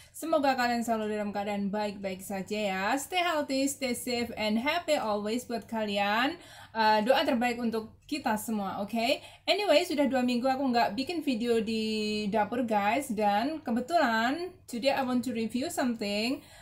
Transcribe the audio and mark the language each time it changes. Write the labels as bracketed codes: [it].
[id] Semoga kalian selalu dalam keadaan baik-baik saja ya. [en] Stay healthy, stay safe and happy always [id] buat kalian. Doa terbaik untuk kita semua, oke? Okay? Anyway, sudah 2 minggu aku nggak bikin video di dapur guys. Dan kebetulan, [en] today I want to review something.